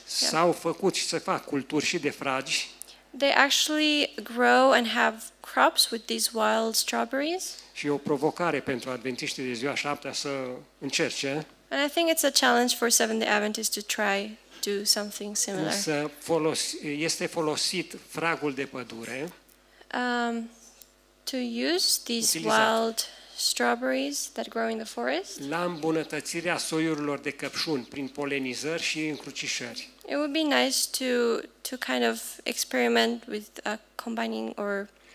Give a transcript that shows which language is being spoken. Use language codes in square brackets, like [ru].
[ro] S-au făcut și se fac culturi și de fragi. [en] They actually grow and have crops with these wild strawberries. [ro] Și o provocare pentru adventiștii de ziua șaptea să încerce. [en] And I think it's a challenge for Seventh-day Adventists to try do something similar. [ro] Însă este folosit fragul de pădure. [en] To use these wild strawberries that grow in the forest. [ro] La îmbunătățirea soiurilor de căpșuni prin polenizări și încrucișări. [en] It would be nice to kind of experiment with combining or